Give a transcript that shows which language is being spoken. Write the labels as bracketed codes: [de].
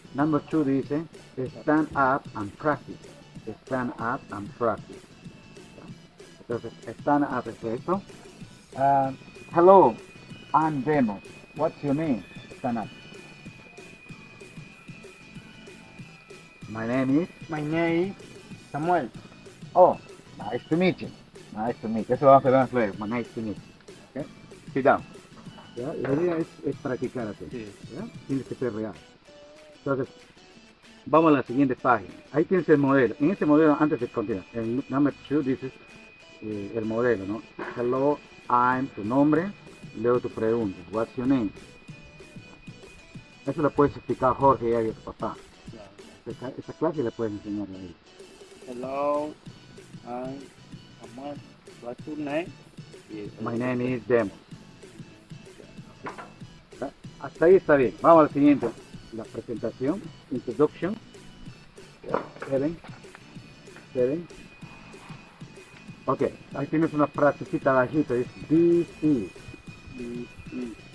[en] Number two [es] dice [en] stand up and practice. Stand up and practice. [es] Entonces, están a hacer eso. [en] Hello, I'm Demo. What's your name? [es] Están a. [en] My name is. My name is Samuel. Oh, nice to meet you. Nice to meet you. [es] Eso lo vamos a hacer más luego. [en] Nice to meet you. Okay. Sit down. [es] ¿Ya? La idea es practicar así. Sí. Tienes que ser real. Entonces, vamos a la siguiente página. Ahí tienes el modelo. En este modelo, antes de continuar, el [en] number two [es] dices. El modelo, ¿no? [en] Hello, I'm [es] tu nombre, leo tu pregunta, [en] what's your name? [es] Eso lo puedes explicar a Jorge y a tu papá. [en] Yeah. [es] Esta clase la puedes enseñar ahí. [en] Hello, I'm Samuel, what's your name? Yes. My name is Demo. Okay. [es] Hasta ahí está bien, vamos al siguiente, la presentación, introduction. Helen, Helen. Ok, ahí tienes una frasecita bajita, dice, [en] this is. This is.